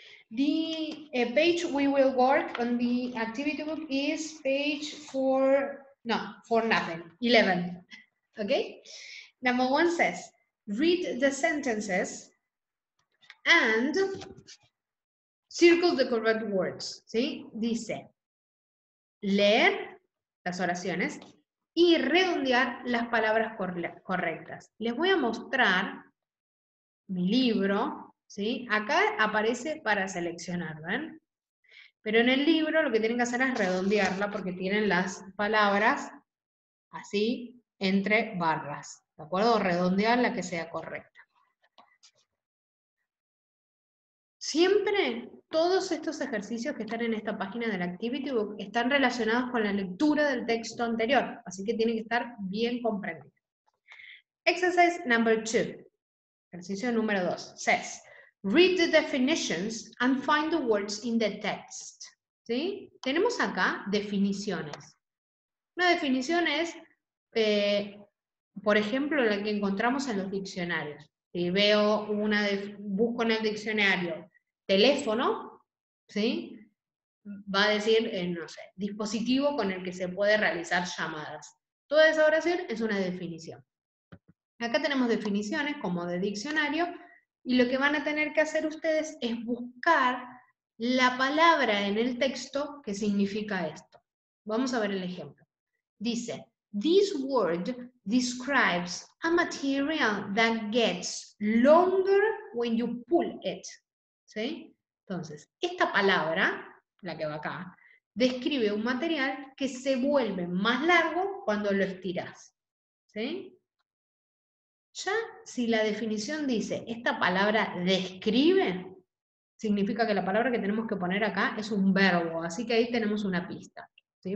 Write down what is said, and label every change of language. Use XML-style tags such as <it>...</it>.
<en>The page we will work on the Activity Book is page 4, no, for nothing, 11. Okay? Number 1 says, read the sentences and circle the correct words.</en> <es>¿Sí? Dice, leer las oraciones y redondear las palabras correctas. Les voy a mostrar mi libro, ¿sí? Acá aparece para seleccionar, ¿ven? Pero en el libro lo que tienen que hacer es redondearla porque tienen las palabras así, entre barras, ¿de acuerdo? Redondear la que sea correcta. Siempre todos estos ejercicios que están en esta página del Activity Book están relacionados con la lectura del texto anterior, así que tienen que estar bien comprendidos.</es> <en>Exercise number 2.</en> <es>Ejercicio número 2.</es> <en>Says, read the definitions and find the words in the text.</en> <es>¿Sí? Tenemos acá definiciones. Una definición es, por ejemplo, la que encontramos en los diccionarios. Si veo una, busco en el diccionario, teléfono, ¿sí? Va a decir, no sé, dispositivo con el que se puede realizar llamadas. Toda esa oración es una definición. Acá tenemos definiciones como de diccionario, y lo que van a tener que hacer ustedes es buscar la palabra en el texto que significa esto. Vamos a ver el ejemplo.</es> <en>Dice, this word describes a material that gets longer when you pull it.</en> <es>¿Sí? Entonces, esta palabra, la que va acá, describe un material que se vuelve más largo cuando lo estiras. ¿Sí? Ya, si la definición dice, esta palabra describe, significa que la palabra que tenemos que poner acá es un verbo, así que ahí tenemos una pista, ¿sí?</es>